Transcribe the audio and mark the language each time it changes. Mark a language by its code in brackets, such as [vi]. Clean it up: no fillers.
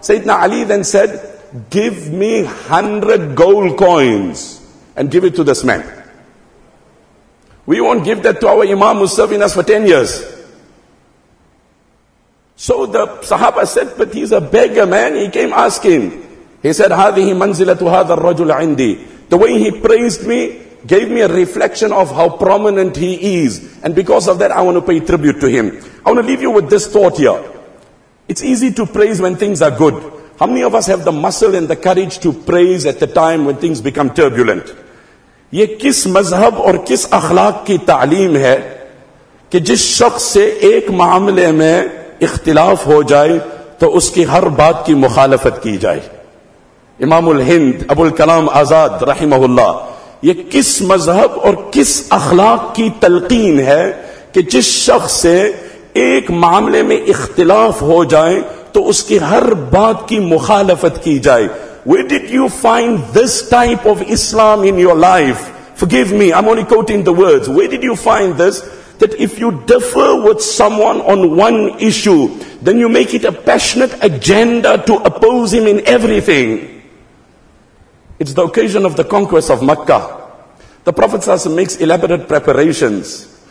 [en] Sayyidina Ali then said, "Give me 100 gold coins and give it to this man." We won't give that to our imam who's serving us for 10 years. So the sahaba said, "But he's a beggar, man. He came asking." He said, [ar] "هَذِهِ مَنْزِلَةُ هَذَا الرَّجُلَ عِنْدِي." [en] The way he praised me gave me a reflection of how prominent he is. And because of that, I want to pay tribute to him. I want to leave you with this thought here. It's easy to praise when things are good. How many of us have the muscle and the courage to praise at the time when things become turbulent? [ur] یہ کس مذہب اور کس اخلاق کی تعلیم ہے کہ جس شخص سے ایک معاملے میں اختلاف ہو جائے تو اس کی ہر بات کی مخالفت کی جائے؟ امام الہند ابو الکلام آزاد رحمہ اللہ، یہ کس مذہب اور کس اخلاق کی تلقین ہے کہ جس شخص سے ایک معاملے میں اختلاف ہو جائے تو اس کی ہر بات کی مخالفت کی جائے؟ [en] Where did you find this type of Islam in your life? Forgive me, I'm only quoting the words. Where did you find this? That if you differ with someone on one issue, then you make it a passionate agenda to oppose him in everything. It's the occasion of the conquest of Makkah. The Prophet ﷺ makes elaborate preparations.